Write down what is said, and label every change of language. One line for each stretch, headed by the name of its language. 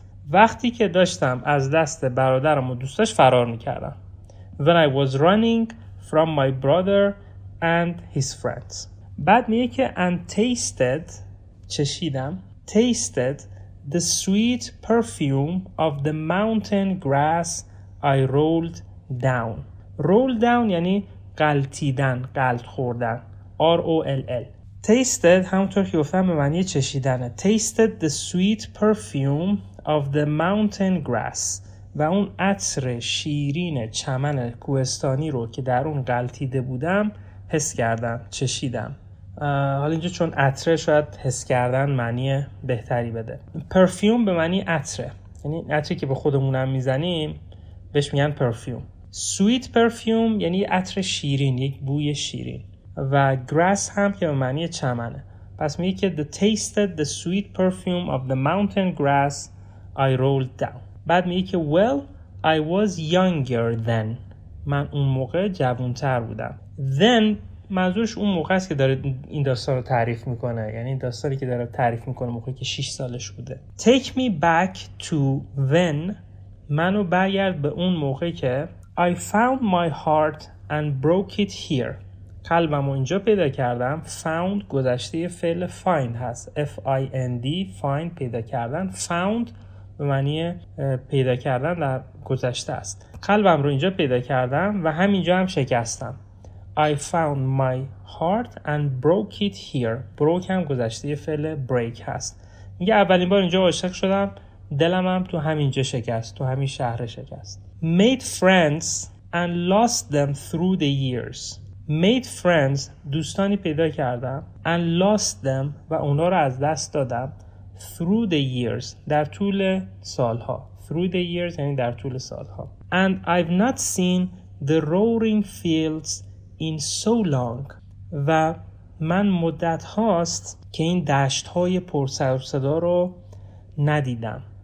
Persian: وقتی که داشتم از دست برادرم و دوستاش فرار میکردم.
English: When I was running from my brother and his friends.
Persian: بعد میگه که
English: and tasted,
Persian: چشیدم.
English: Tasted the sweet perfume of the mountain grass I rolled down.
Persian: Roll down یعنی غلطیدن, غلط خوردن. R-O-L-L. Tasted همونطور که گفتم به معنی چشیدنه.
English: Tasted the sweet perfume of the mountain grass.
Persian: و اون عطر شیرین چمن کوهستانی رو که در اون غلطیده بودم حس کردم, چشیدم. حالا اینجا چون عطره شاید حس کردن معنی بهتری بده. پرفیوم به معنی عطره, یعنی عطری که به خودمونم میزنیم بهش میگن پرفیوم. سویت پرفیوم یعنی عطر شیرین, یک بوی شیرین. و گراس هم که به معنی چمنه. پس میگه که
English: The tasted the sweet perfume of the mountain grass I rolled down.
Persian: بعد میگه که
English: well I was younger then.
Persian: من اون موقع جوانتر بودم. Then منظورش اون موقع است که داره این داستان رو تعریف میکنه, یعنی این داستانی که داره تعریف میکنه موقعی که 6 سالش بوده.
English: Take me back to when,
Persian: منو برگرد به اون موقع که
English: I found my heart and broke it here.
Persian: قلبم رو اینجا پیدا کردم. Found گذشته فعل find هست, F-I-N-D, find پیدا کردن. Found به معنی پیدا کردن در گذشته است. قلبم رو اینجا پیدا کردم و همینجا هم شکستم.
English: I found my heart and broke it here.
Persian: Broke هم گذشته فعل break هست. میگه اولین بار اینجا عاشق شدم, دلم هم تو همینجا شکست, تو همین شهر شکست.
English: Made friends and lost them through the years. Made friends,
Persian: دوستانی پیدا کردم.
English: And lost them,
Persian: و اونا رو از دست دادم.
English: Through the years,
Persian: در طول سالها. Through the years یعنی در طول سالها.
English: And I've not seen the roaring fields in so long,
Persian: و من مدت هاست که این دشت های پر سر و صدا رو ندیدم.